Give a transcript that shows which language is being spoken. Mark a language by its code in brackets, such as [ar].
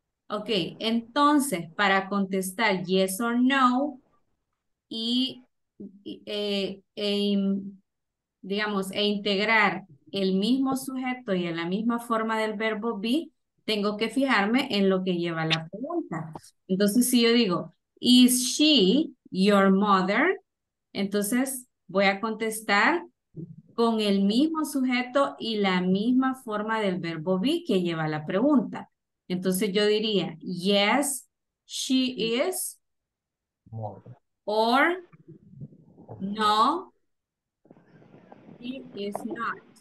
[es] Ok, entonces, para contestar yes or no, digamos, e integrar el mismo sujeto y en la misma forma del verbo be, tengo que fijarme en lo que lleva la pregunta. Entonces, si yo digo, [en] Is she your mother? [es] Entonces, voy a contestar con el mismo sujeto y la misma forma del verbo be que lleva la pregunta. Entonces yo diría, [en] yes, she is. More. Or, no, she is not.